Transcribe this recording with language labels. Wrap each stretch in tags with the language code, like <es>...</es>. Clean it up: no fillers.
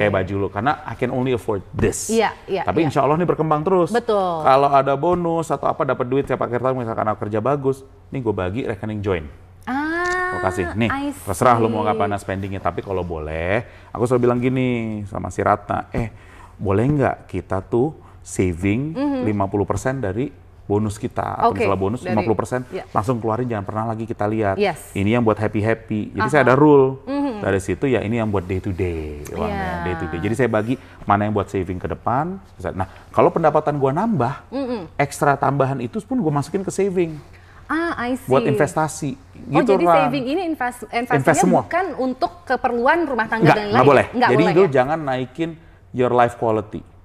<id>Kayak baju lo, karena</id> <en>I can only afford this.</en> <id>Iya, yeah, iya. Yeah, tapi insya Allah ini berkembang terus. Betul. Kalau ada bonus atau apa dapat duit siapa kira misalkan aku kerja bagus, nih gue bagi rekening join. Ah. Gue kasih. Nih, terserah lo mau ngapain spendingnya. Tapi kalau boleh, aku selalu bilang gini sama si Ratna, boleh nggak kita tuh saving 50% dari bonus kita, atau misalnya bonus 50%, langsung keluarin, jangan pernah lagi kita lihat.</id> <en>Yes.</en> <id>Ini yang buat happy-happy. Jadi saya ada rule. Dari situ ya ini yang buat day-to-day. Jadi saya bagi mana yang buat saving ke depan. Nah, kalau pendapatan gue nambah, ekstra tambahan itu pun gue masukin ke saving.</id> <en>Ah, I see.</en> <id>Buat investasi. Gitu, oh, jadi Ran. Saving ini investasinya bukan untuk keperluan rumah tangga nggak, dan lain-lain? Boleh. Nggak jadi boleh, itu ya? Jangan naikin</id> <en>your life quality.</en>